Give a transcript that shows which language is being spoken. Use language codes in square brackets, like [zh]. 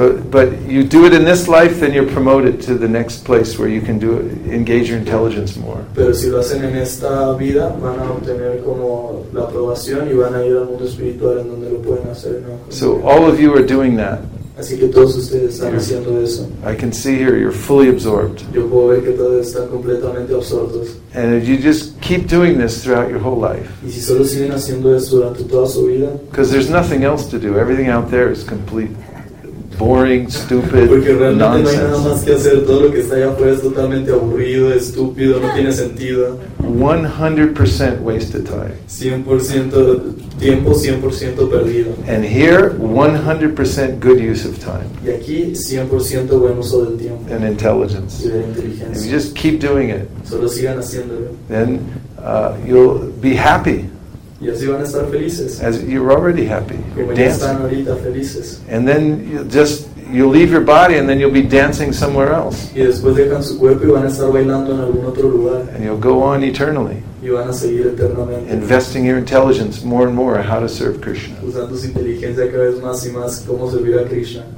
[en] But you do it in this life, then you're promoted to the next place where you can do it, engage your intelligence more. [es] Pero si lo hacen en esta vida, van a obtener como la aprobación y van a ir al mundo espiritual en donde lo pueden hacer, ¿no? [en] So all of you are doing that. [es] Así que todos ustedes están haciendo eso. [en] I can see here you're fully absorbed. [es] Yo puedo ver que todos están completamente absortos. [en] And if you just keep doing this throughout your whole life. [es] Y si solo siguen haciendo eso durante toda su vida. [en] Because there's nothing else to do. Everything out there is complete. Boring, stupid, [es] porque realmente [en] nonsense. [es] No hay nada más que hacer. Todo lo que está allá afuera es totalmente aburrido, estúpido, no tiene sentido. [en] 100% wasted time. [es] 100% tiempo, 100% perdido. [en] And here, 100% good use of time. [es] Y aquí, 100% buen uso del tiempo. [en] And intelligence. [es] Y de inteligencia. [en] If you just keep doing it, [es] solo sigan haciéndolo, [en] then you'll be happy. [es] Y así van a estar felices. [en] As you're already happy. [es] Como ya están ahorita felices. [en] And then you leave your body and then you'll be dancing somewhere else. [es] Y después dejan su cuerpo y van a estar bailando en algún otro lugar. [en] And you'll go on eternally. [es] Y van a seguir eternamente. [en] Investing your intelligence more and more on how to serve Krishna. [es] Usando su inteligencia cada vez más y más cómo servir a Krishna.